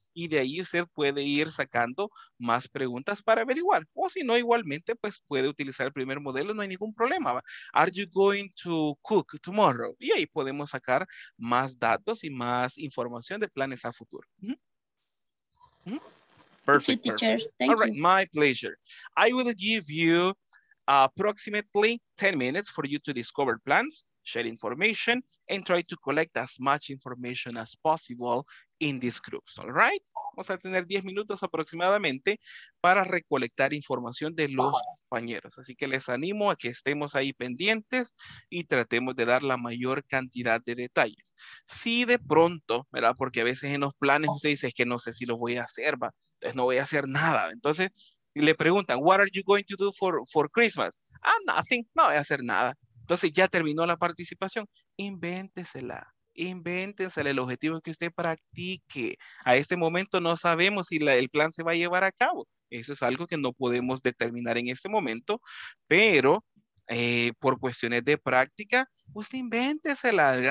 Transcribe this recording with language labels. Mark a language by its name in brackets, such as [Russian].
[Spanish] Y de ahí usted puede ir sacando más preguntas para averiguar. O si no, igualmente, pues puede utilizar el primer modelo. No hay ningún problema. [English] Are you going to cook tomorrow? [Spanish] Y ahí podemos sacar más datos y más información de planes a futuro. [English] Perfect. Thank you, teacher. Thank you. All right, my pleasure. I will give you approximately 10 minutes for you to discover plans. Share information and try to collect as much information as possible in these groups, all right? [Spanish] Vamos a tener 10 minutos aproximadamente para recolectar información de los compañeros. Así que les animo a que estemos ahí pendientes y tratemos de dar la mayor cantidad de detalles. Si de pronto, ¿verdad? Porque a veces en los planes usted dice, es que no sé si lo voy a hacer, va. Entonces no voy a hacer nada. Entonces le preguntan, [English] what are you going to do for Christmas? [Spanish] Ah, [English] nothing, [Spanish] no voy a hacer nada. Entonces ya terminó la participación, invéntesela el objetivo que usted practique. A este momento no sabemos si el plan se va a llevar a cabo. Eso es algo que no podemos determinar en este momento, pero por cuestiones de práctica, usted invéntesela.